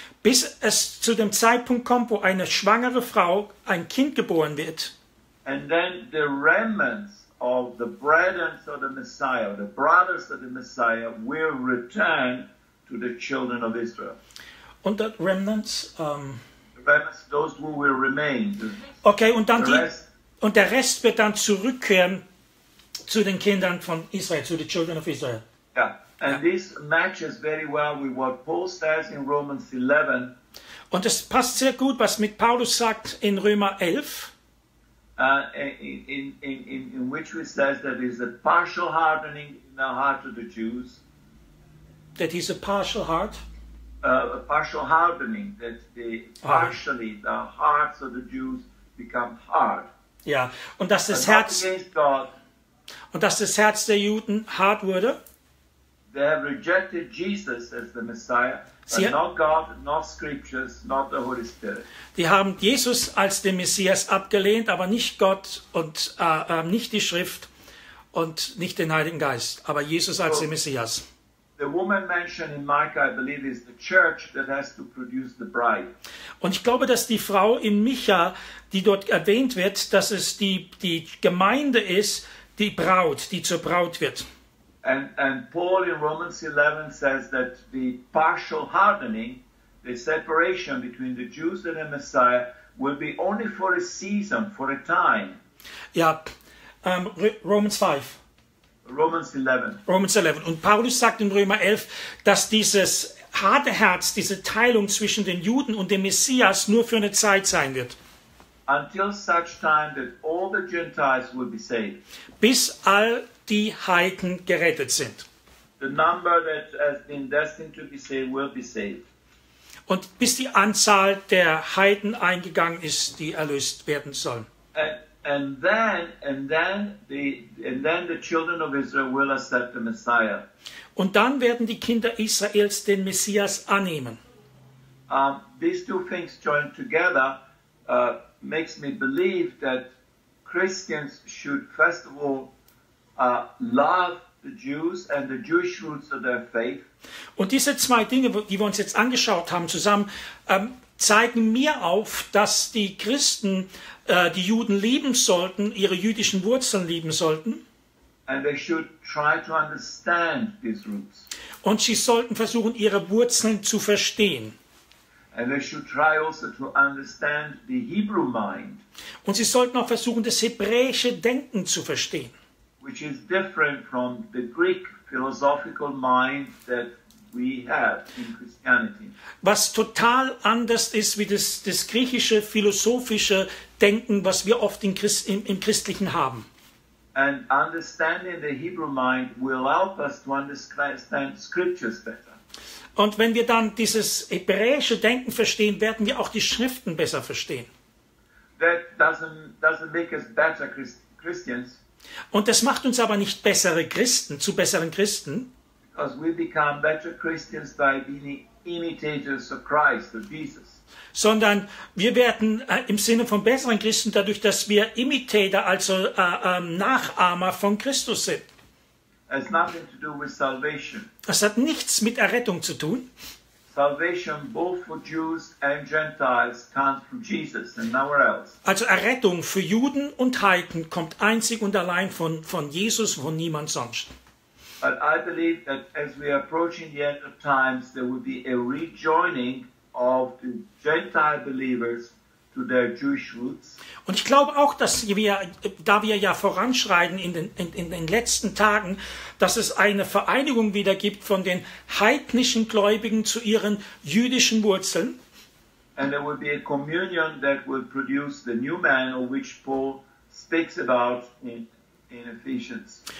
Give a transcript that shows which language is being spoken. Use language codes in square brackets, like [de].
[de] Bis es zu dem Zeitpunkt kommt, wo eine schwangere Frau ein Kind geboren wird. [en] And then the remnants of the brethren of the Messiah, the brothers of the Messiah, will return to the children of Israel. Und the remnants? The remnants, those who will remain. [de] Okay, und dann die, rest, und der Rest wird dann zurückkehren zu den Kindern von Israel, zu [en] the children of Israel. Yeah, and yeah. This matches very well with what Paul says in Romans 11. [de] Und es passt sehr gut, was mit Paulus sagt in Römer 11. [en] In which we says that there is a partial hardening in the heart of the Jews. That is a partial heart? A partial hardening, that they partially, the hearts of the Jews become hard. [de] Ja, und dass das Herz, und dass das Herz der Juden hart wurde. [en] They have rejected Jesus as the Messiah. But not God, not scriptures, not the Holy Spirit. [de] Die haben Jesus als den Messias abgelehnt, aber nicht Gott und nicht die Schrift und nicht den Heiligen Geist, aber Jesus als den Messias. [en] The woman mentioned in Micah, I believe, is the church that has to produce the bride. [de] Und ich glaube, dass die Frau in Micha, die dort erwähnt wird, dass es die Gemeinde ist, die Braut, die zur Braut wird. [en] And Paul in Romans 11 says that the partial hardening, the separation between the Jews and the Messiah, will be only for a season, for a time. Ja, Romans 5. Romans 11. Romans 11. [de] Und Paulus sagt in Römer 11, dass dieses harte Herz, diese Teilung zwischen den Juden und dem Messias nur für eine Zeit sein wird. [en] Until such time that all the Gentiles will be saved. [de] Bis all die Heiden gerettet sind. [en] The number that has been destined to be saved will be saved. [de] Und bis die Anzahl der Heiden eingegangen ist, die erlöst werden sollen. [en] And then the children of Israel will accept the Messiah. [de] Und dann werden die Kinder Israels den Messias annehmen. [en] These two things joined together makes me believe that Christians should first of all love the Jews and the Jewish roots of their faith. [de] Und diese zwei Dinge, die wir uns jetzt angeschaut haben zusammen, zeigen mir auf, dass die Christen die Juden lieben sollten, ihre jüdischen Wurzeln lieben sollten. [en] And they should try to understand these roots. [de] Und sie sollten versuchen, ihre Wurzeln zu verstehen. [en] And they should try also to understand the Hebrew mind. [de] Und sie sollten auch versuchen, das hebräische Denken zu verstehen. [en] Which is different from the Greek philosophical mind that we have in Christianity. [de] Was total anders ist wie das griechische philosophische Denken, was wir oft im Christlichen haben. [en] And understanding the Hebrew mind will help us to understand scriptures better. [de] Und wenn wir dann dieses hebräische Denken verstehen, werden wir auch die Schriften besser verstehen. [en] That doesn't make us better Christians. [de] Und das macht uns aber nicht bessere Christen, zu besseren Christen. [en] Because we become better Christians by being imitators of Christ, of Jesus. [de] sondern wir werden im Sinne von besseren Christen dadurch, dass wir Imitator, also Nachahmer von Christus sind. [en] Has nothing to do with salvation. [de] Das hat nichts mit Errettung zu tun. [en] Salvation both for Jews and Gentiles comes from Jesus and nowhere else. [de] Also Errettung für Juden und Heiden kommt einzig und allein von Jesus, von niemand sonst. [en] But I believe that as we are approaching the end of times, there will be a rejoining of the Gentile believers to their Jewish roots. [de] Und ich glaube auch, dass wir, da wir ja voranschreiten in den letzten Tagen, dass es eine Vereinigung wieder gibt von den heidnischen Gläubigen zu ihren jüdischen Wurzeln. [en] And there will be a communion that will produce the new man of which Paul speaks about in Ephesians.